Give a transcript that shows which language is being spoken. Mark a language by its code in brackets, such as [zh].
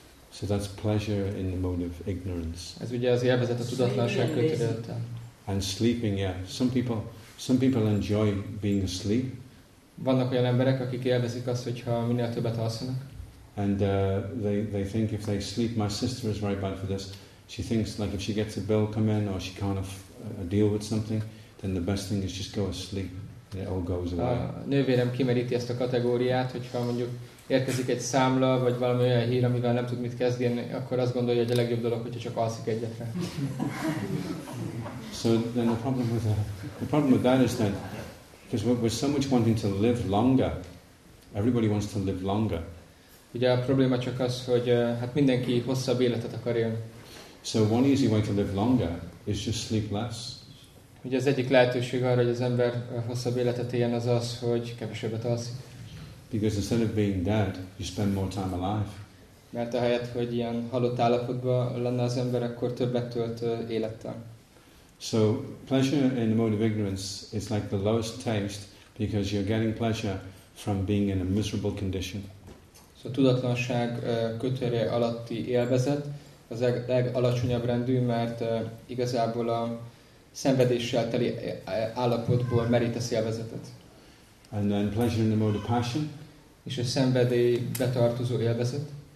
[en] So that's pleasure in the mode of ignorance. [hu] Ez ugye az élvezet a tudatlanság kötődött. [en] And sleeping, yeah. Some people enjoy being asleep. [hu] Vannak olyan emberek, akik élvezik azt, hogyha minél többet alszanak. [en] And they think if they sleep, my sister is very bad for this. She thinks like if she gets a bill come in or she can't deal with something, then the best thing is just go asleep. It all goes away. [hu] Nővérem kimeríti ezt a kategóriát, hogyha mondjuk érkezik egy számla vagy valami olyan hír, amivel nem tud mit kezdeni, akkor azt gondolja, hogy a legjobb dolog, hogyha csak alszik egyetre. [en] So then the problem with that is that because we're so much wanting to live longer, everybody wants to live longer. [hu] Ugye a probléma csak az, hogy hát mindenki hosszabb életet akar élni. [en] So one easy way to live longer is just sleep less. [hu] Ugye az egyik lehetőség arra, hogy az ember hosszabb életet éljen, az, hogy kevesebbet alszik. [en] Because instead of being dead, you spend more time alive. [hu] Mert ahelyett, hogy ilyen halott állapotban lenne az ember, akkor többet tölt élettel. [en] So pleasure in the mode of ignorance is like the lowest taste because you're getting pleasure from being in a miserable condition. [hu] A tudatlanság kötője alatti élvezet az a legalacsonyabb rendű, mert igazából a szenvedéssel teli állapotból merítesz élvezetet. [en] And then pleasure in the mode of passion. [hu] És a szenvedély betartozó élvezet.